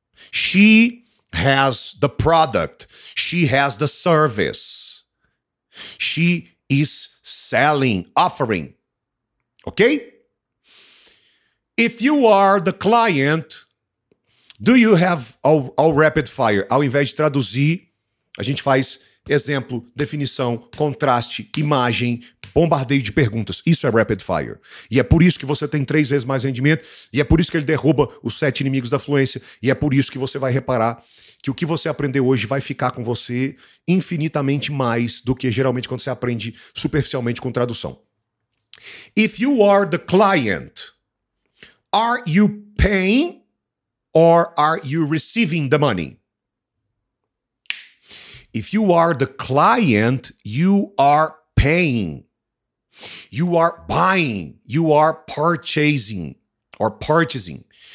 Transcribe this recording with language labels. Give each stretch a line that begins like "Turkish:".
English: She has the product. She has the service. She is selling, offering. Okay? If you are the client, do you have ao rapid fire?
Portuguese: Ao invés de traduzir, a gente faz exemplo, definição, contraste, imagem, bombardeio de perguntas. Isso é rapid fire. E é por isso que você tem 3 vezes mais rendimento. E é por isso que ele derruba os 7 inimigos da fluência. E é por isso que você vai reparar que o que você aprendeu hoje vai ficar com você infinitamente mais do que geralmente quando você aprende superficialmente com tradução.
English: If you are the client, are you paying or are you receiving the money? If you are the client, you are paying. You are buying. You are purchasing or purchasing.